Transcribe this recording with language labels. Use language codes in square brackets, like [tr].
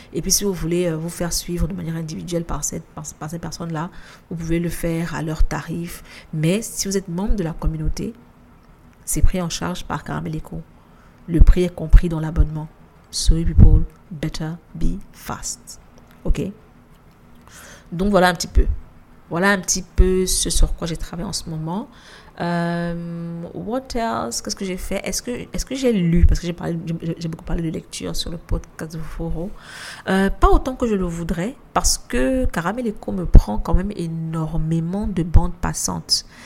[fr] Et puis, si vous voulez vous faire suivre de manière individuelle par ces personnes-là, vous pouvez le faire à leur tarif. Mais si vous êtes membre de la communauté, c'est pris en charge par Caramel Echo. Le prix est compris dans l'abonnement. [en] Sorry people, better be fast. [fr] Ok? Donc voilà un petit peu. Voilà un petit peu ce sur quoi j'ai travaillé en ce moment. [en] What else? [fr] Qu'est-ce que j'ai fait? Est-ce que j'ai lu? Parce que j'ai beaucoup parlé de lecture sur le podcast de Foro. Pas autant que je le voudrais, parce que Caramel Echo me prend quand même énormément de bandes passantes.